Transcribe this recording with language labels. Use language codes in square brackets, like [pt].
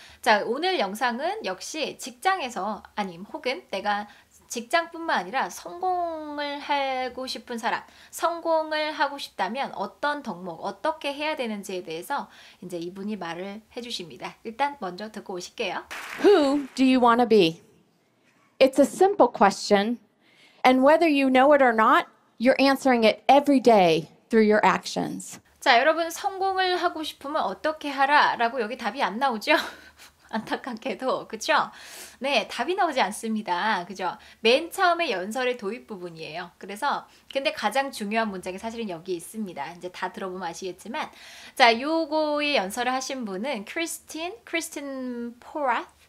[ko] 자, 오늘 영상은 역시 직장에서 아님 혹은 내가 직장뿐만 아니라 성공을 하고 싶은 사람, 성공을 하고 싶다면 어떤 덕목, 어떻게 해야 되는지에 대해서 이제 이분이 말을 해주십니다. 일단 먼저 듣고 오실게요. [en] Who do you want to be? It's a simple question. And whether you know it or not, you're answering it every day through your actions. [ko] 자, 여러분 성공을 하고 싶으면 어떻게 하라? 라고 여기 답이 안 나오죠? 안타깝게도, 그쵸? 네, 답이 나오지 않습니다. 그죠? 맨 처음에 연설의 도입 부분이에요. 그래서, 근데 가장 중요한 문장이 사실은 여기 있습니다. 이제 다 들어보면 아시겠지만. 자, 요거의 연설을 하신 분은 크리스틴 포라스.